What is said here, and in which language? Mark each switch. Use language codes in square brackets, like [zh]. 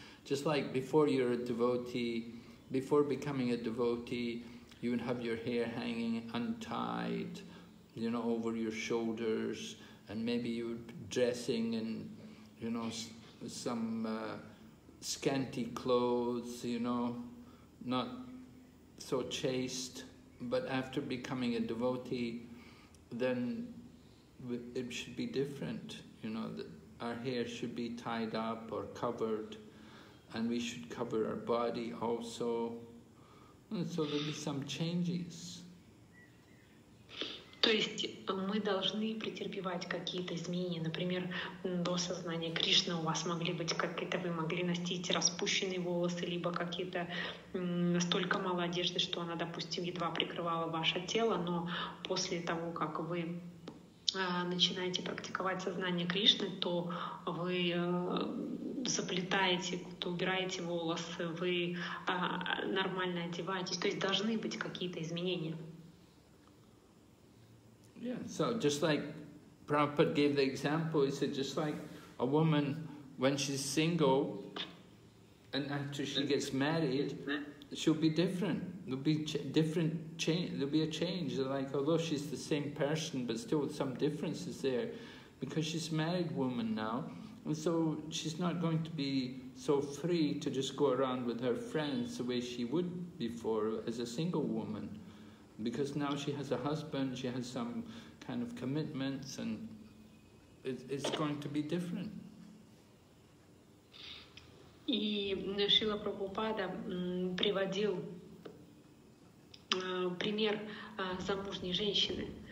[en] Just like before you're a devotee, before becoming a devotee, you would have your hair hanging untied, you know, over your shoulders, and maybe you would be dressing in, you know, some scanty clothes, you know, not so chaste. But after becoming a devotee, then it should be different. You know, that our hair should be tied up or covered, and we should cover our body also. And so there'll be some changes. [ru] То есть мы должны претерпевать какие-то изменения. Например, до сознания Кришны у вас могли быть какие-то, вы могли носить распущенные волосы, либо какие-то настолько мало одежды, что она, допустим, едва прикрывала ваше тело, но после того, как вы начинаете практиковать сознание Кришны, то вы заплетаете, кто убираете волосы, вы нормально одеваетесь. То есть должны быть какие-то изменения. [en] Yeah, so just like Prabhupada gave the example, he said just like a woman when she's single and after she gets married, she'll be different. There'll be a change. Like although she's the same person, but still some differences there, because she's a married woman now, and so she's not going to be so free to just go around with her friends the way she would before as a single woman, because now she has a husband, she has some kind of commitments, and it's going to be different. [ru] И Шрила Прабхупада приводил пример замужней женщины.